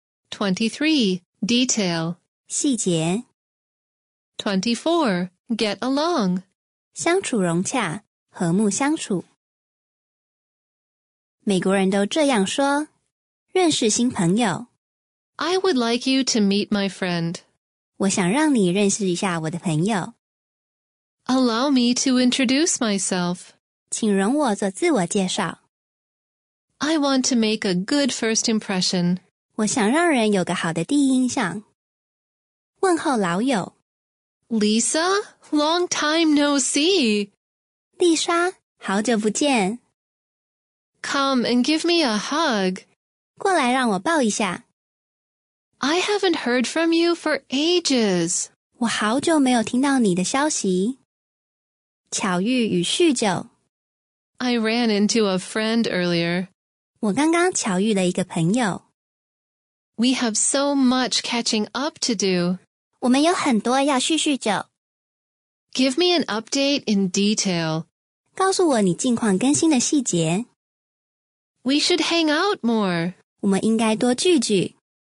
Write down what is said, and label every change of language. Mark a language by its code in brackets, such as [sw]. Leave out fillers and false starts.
[en] 23. Detail， [zh] 细节。 [en] 24. Get along， [zh] 相处融洽，和睦相处。美国人都这样说，认识新朋友。 [en] I would like you to meet my friend， [zh] 我想让你认识一下我的朋友。 [en] Allow me to introduce myself， [zh] 请容我做自我介绍。 [en] I want to make a good first impression， [zh] 我想让人有个好的第一印象。问候老友。 [en] Lisa, long time no see。 [zh] 丽莎，好久不见。 [en] Come and give me a hug， [zh] 过来让我抱一下。 [en] I haven't heard from you for ages， [zh] 我好久没有听到你的消息。巧遇与叙旧。 [en] I ran into a friend earlier， [zh] 我刚刚巧遇了一个朋友。 [en] We have so much catching up to do， [zh] 我们有很多要叙叙旧。 [en] Give me an update in detail， [zh] 告诉我你近况更新的细节。 [en] We should hang out more， [zh] 我们应该多聚聚。